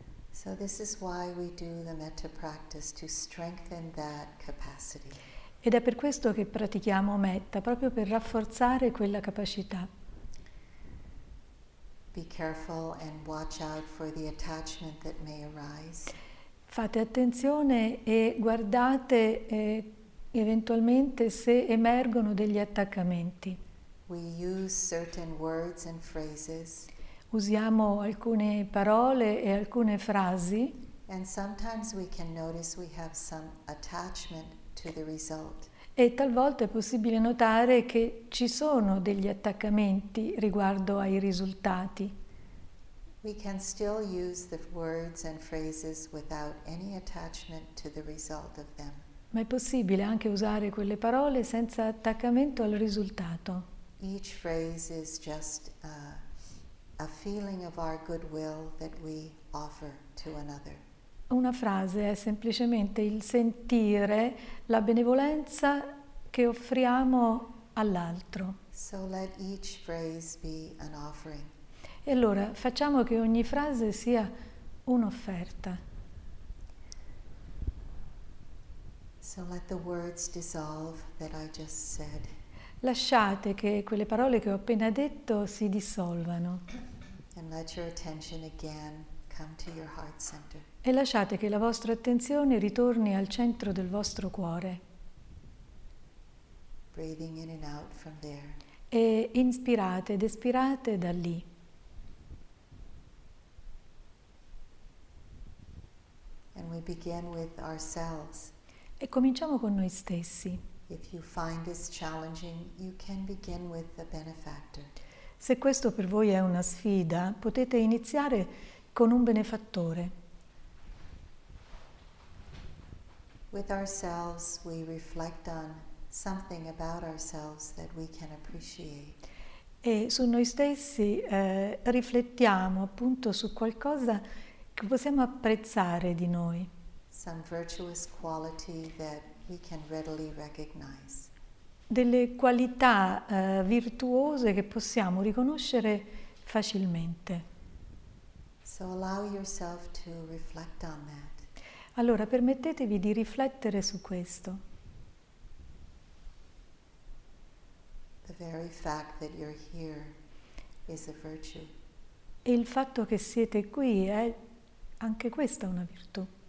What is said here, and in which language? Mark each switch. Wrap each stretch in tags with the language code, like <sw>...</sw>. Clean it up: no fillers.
<en>So this is why we do the metta practice, to strengthen that capacity.</en> <it>Ed è per questo che pratichiamo metta, proprio per rafforzare quella capacità.</it> <en>Be careful and watch out for the attachment that may arise.</en> <it>Fate attenzione e guardate eventualmente se emergono degli attaccamenti.</it> <en>We use certain words and phrases.</en> <it>Usiamo alcune parole e alcune frasi.</it> <en>And sometimes we can notice we have some attachment to the result.</en> <it>E talvolta è possibile notare che ci sono degli attaccamenti riguardo ai risultati.</it> <en>We can still use the words and phrases without any attachment to the result of them.</en> <it>Ma è possibile anche usare quelle parole senza attaccamento al risultato.</it> <en>Each phrase is just a feeling of our goodwill that we offer to another.</en> <it>Una frase è semplicemente il sentire la benevolenza che offriamo all'altro.</it> <en>So let each phrase be an offering.</en> <it>E allora facciamo che ogni frase sia un'offerta.</it> <en>So let the words dissolve that I just said.</en> <it>Lasciate che quelle parole che ho appena detto si dissolvano.</it> <en>And let your attention again come to your heart center.</en> <it>E lasciate che la vostra attenzione ritorni al centro del vostro cuore.</it> <en>Breathing in and out from there.</en> <it>E inspirate ed espirate da lì.</it> <en>And we begin with ourselves.</en> <it>E cominciamo con noi stessi.</it> <en>If you find this challenging, you can begin with the benefactor.</en> <it>Se questo per voi è una sfida, potete iniziare con un benefattore.</it> <en>With ourselves, we reflect on something about ourselves that we can appreciate.</en> <it>E su noi stessi riflettiamo appunto su qualcosa che possiamo apprezzare di noi.</it> <en>Some virtuous quality that we can readily recognize.</en> <it>Delle qualità virtuose che possiamo riconoscere facilmente.</it> <en>So allow yourself to reflect on that.</en> <it>Allora, permettetevi di riflettere su questo.</it> <en>The very fact that you're here is a virtue.</en> <it>E il fatto che siete qui è anche questa una virtù.</it>